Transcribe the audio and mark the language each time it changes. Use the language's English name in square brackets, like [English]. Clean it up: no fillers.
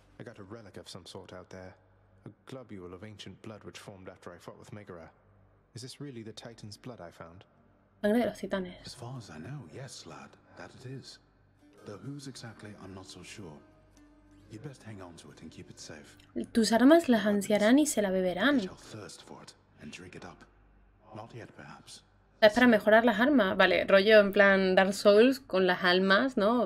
[English] I got a relic of some sort out there. A globule of ancient blood which formed after I fought with Megara. Is this really the Titan's blood I found? [Spanish] Sangre de los titanes. [English] As far as I know, yes, lad. That it is. Though whose exactly, I'm not so sure. You'd best hang on to it and keep it safe. [Spanish] Tus armas las ansiarán y se la beberán. [English] Get your thirst for it and drink it up. Not yet, perhaps. [Spanish] Es para mejorar las armas, vale, rollo en plan Dark Souls con las almas, ¿no?